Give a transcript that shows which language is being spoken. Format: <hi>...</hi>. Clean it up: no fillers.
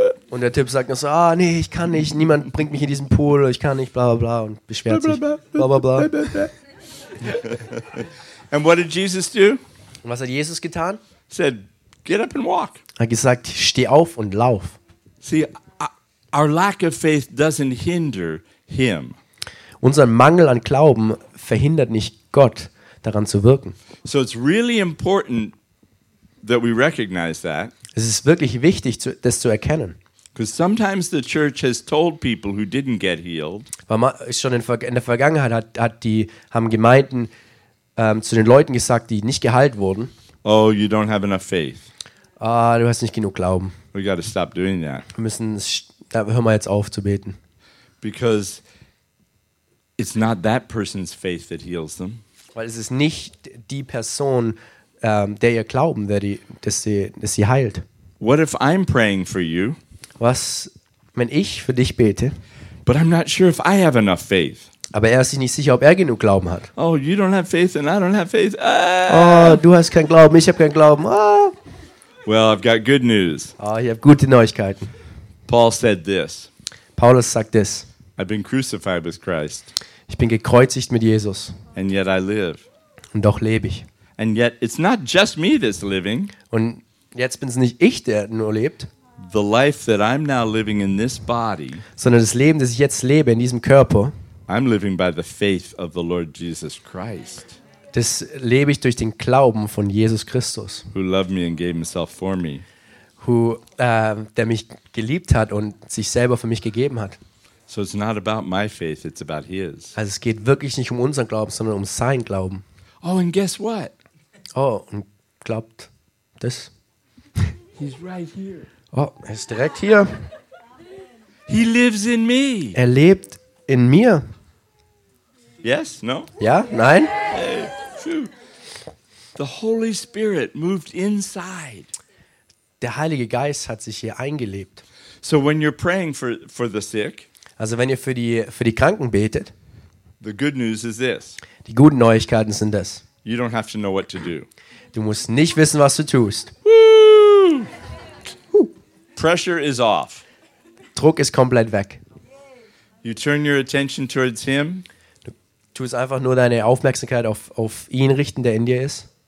<de>Und der Typ sagt so, "Ah, nee, ich kann nicht. Niemand bringt mich in diesen Pool. Ich kann nicht. Bla bla bla." Und beschwert sich. Bla bla bla.</de> <en>And what did Jesus do?</en> <de>Und was hat Jesus getan?</de> <en>He said, "Get up and walk."</en> <de>Er hat gesagt, steh auf und lauf.</de> <en>See, our lack of faith doesn't hinder him.</en> <de>Unser Mangel an Glauben verhindert nicht Gott, daran zu wirken.</de> <en>So it's really important that we recognize that.</en> <de>Es ist wirklich wichtig, das zu erkennen.</de> <en>Because sometimes the church has told people who didn't get healed.</en> <de>Weil man schon in der Vergangenheit haben Gemeinden zu den Leuten gesagt, die nicht geheilt wurden.</de> <en>Oh, you don't have enough faith.</en> <de>Ah, du hast nicht genug Glauben.</de> <en>We got to stop doing that.</en> <de>Wir müssen hör mal jetzt auf zu beten.</de> <en>Because it's not that person's faith that heals them.</en> <de>Weil es ist nicht die Person, der ihr Glauben, dass sie heilt.</de> <en>What if I'm praying for you?</en> <de>Was, wenn ich für dich bete?</de> <en>But I'm not sure if I have enough faith.</en> <de>Aber er ist sich nicht sicher, ob er genug Glauben hat.</de> <en>Oh, you don't have faith and I don't have faith.</en> <de>Oh, du hast keinen Glauben, ich habe keinen Glauben.</de> <en>Well, I've got good news.</en> <de>Oh, ich habe gute Neuigkeiten.</de> <en>Paul said this.</en> <de>Paulus sagt das.</de> <en>I've been crucified with Christ.</en> <de>Ich bin gekreuzigt mit Jesus.</de> <en>And yet I live.</en> <de>Und doch lebe ich.</de> <en>And yet it's not just me that's living.</en> <de>Und jetzt bin es nicht ich, der nur lebt.</de> <en>The life that I'm now living in this body.</en> <de>Sondern das Leben, das ich jetzt lebe in diesem Körper.</de> <en>I'm living by the faith of the Lord Jesus Christ.</en> <de>Das lebe ich durch den Glauben von Jesus Christus.</de> <en>Who loved me and gave himself for me.</en> <de>Der mich geliebt hat und sich selber für mich gegeben hat.</de> <en>So it's not about my faith, it's about his.</en> <de>Also es geht wirklich nicht um unseren Glauben, sondern um seinen Glauben.</de> <en>Oh, and guess what?</en> <de>Oh, und glaubt das?</de> <en>He's right here.</en> <de>Oh, er ist direkt hier.</de> <en>He lives in me.</en> <de>Er lebt in mir.</de> <en>Yes, no?</en> <de>Ja, nein?</de> <en>Hey, the Holy Spirit moved inside.</en> <de>Der Heilige Geist hat sich hier eingelebt.</de> <en>So when you're praying for the sick,</en> <de>also wenn ihr für die Kranken betet,</de> <en>the good news is this.</en> <de>Die guten Neuigkeiten sind das.</de> <en>You don't have to know what to do.</en> <de>Du musst nicht wissen, was du tust.</de> <en>Woo! Pressure is off.</en> <de>Druck ist komplett weg.</de> <en>You turn your attention towards him.</en> <de>Du tust einfach nur deine Aufmerksamkeit auf ihn richten, der in dir ist.</de>